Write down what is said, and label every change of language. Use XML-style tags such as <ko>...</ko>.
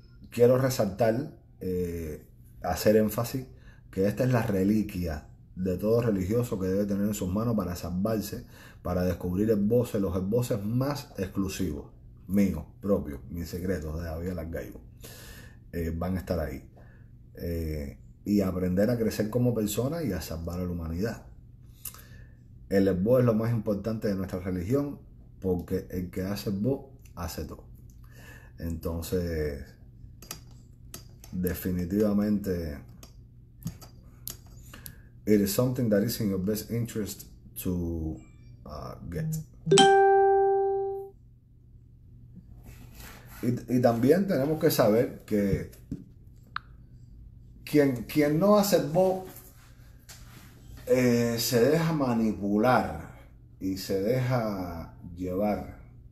<es>Quiero resaltar, hacer énfasis, que esta es la reliquia de todo religioso que debe tener en sus manos para salvarse, para descubrir los esbozos más exclusivos, míos, propios, mis secretos de David Alargayú. Van a estar ahí. Y aprender a crecer como persona y a salvar a la humanidad. El esbo es lo más importante de nuestra religión, porque el que hace esbo hace todo. Entonces, definitivamente,</es> <en>it is something that is in your best interest to get.</en> <es>Y también tenemos que saber que quien no hace esbo, se deja manipular y se deja llevar.</es>